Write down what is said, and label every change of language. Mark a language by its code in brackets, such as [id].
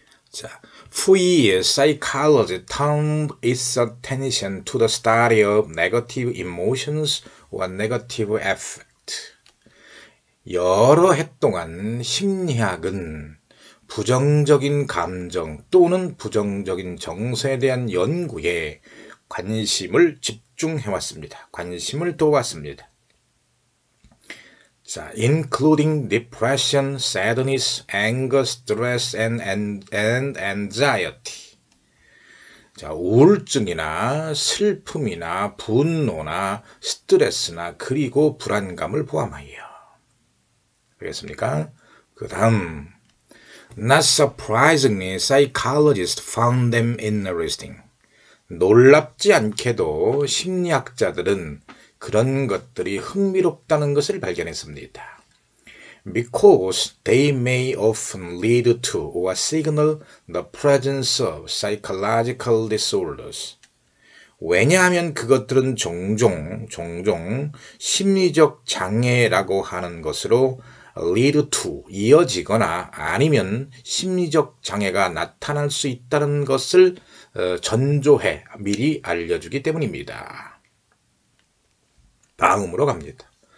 [en] 자, Fui, psychology, turned its attention to the study of negative emotions or negative effects. [ko] 여러 해 동안 심리학은 부정적인 감정 또는 부정적인 정서에 대한 연구에 관심을 집중해왔습니다. 관심을 두어왔습니다. [en] 자, including depression, sadness, anger, stress, and anxiety. [ko] 자, 우울증이나 슬픔이나 분노나 스트레스나 그리고 불안감을 포함하여. 알겠습니까? 그 다음, [en] not surprisingly, psychologists found them interesting. [ko] 놀랍지 않게도 심리학자들은 그런 것들이 흥미롭다는 것을 발견했습니다. [en] Because they may often lead to or signal the presence of psychological disorders. [ko] 왜냐하면 그것들은 종종 심리적 장애라고 하는 것으로 [en] lead to, [ko] 이어지거나 아니면 심리적 장애가 나타날 수 있다는 것을 전조해 미리 알려주기 때문입니다. 다음으로 갑니다.